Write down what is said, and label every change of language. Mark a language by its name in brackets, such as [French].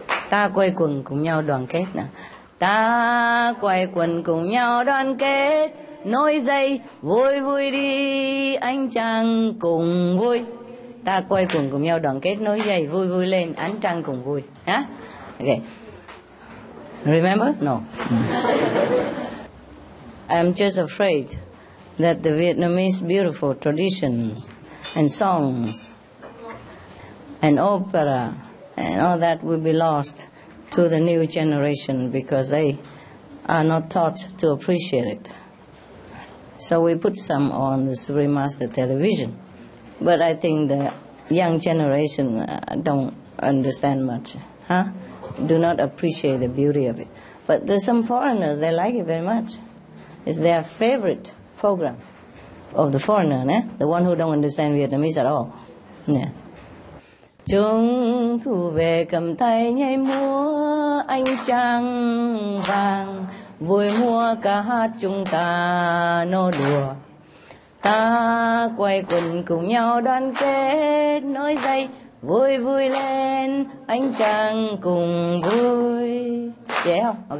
[Vietnamese] Ta quay quần cùng nhau đoàn kết nè. Ta quay quần cùng nhau đoàn kết. Nối dây vui vui đi, ánh trăng cùng vui. Ta quay cùng cùng nhau đoàn kết nối dây vui vui lên ánh trăng cùng vui nhá. [English] Ok, remember? No. I'm just afraid that the Vietnamese beautiful traditions and songs and opera and all that will be lost to the new generation because they are not taught to appreciate it. So we put some on the Supreme Master television, but I think the young generation don't understand much, huh? Do not appreciate the beauty of it. But there's some foreigners, they like it very much. It's their favorite program. of the foreigner, né? The one who don't understand Vietnamese at all. Yeah. [Vietnamese] Chúng thu về cầm tay nhảy múa ánh trăng vàng vui mua ca hát chúng ta nô đùa ta quay quần cùng nhau đoàn kết nối dây vui vui lên ánh trăng cùng vui dễ không?